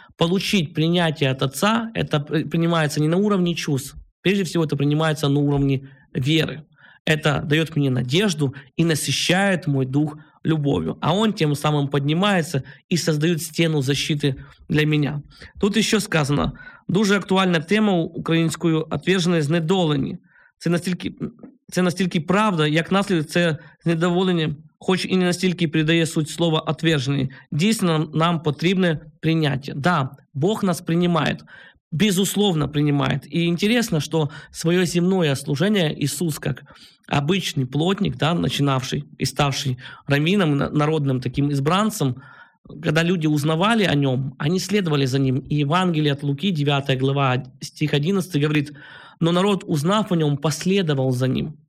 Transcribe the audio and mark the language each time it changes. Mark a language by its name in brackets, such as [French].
[Russian] Получить принятие от Отца, это принимается не на уровне чувств. Прежде всего, это принимается на уровне веры. Это дает мне надежду и насыщает мой дух любовью. А он тем самым поднимается и создает стену защиты для меня. Тут еще сказано, [Ukrainian] дуже актуальна тема українською отвержена знедолені. Це настільки правда, як наслідок це знедоволення, хоч і не настільки передає суть слова отвержені. Дійсно, нам потрібне прийняття. Да, Бог нас приймає. [Russian] Безусловно принимает. И интересно, что свое земное служение Иисус, как обычный плотник, да, начинавший и ставший раввином, народным таким избранцем, когда люди узнавали о нем, они следовали за ним. И Евангелие от Луки, 9 глава, стих 11, говорит: «Но народ, узнав о нем, последовал за ним».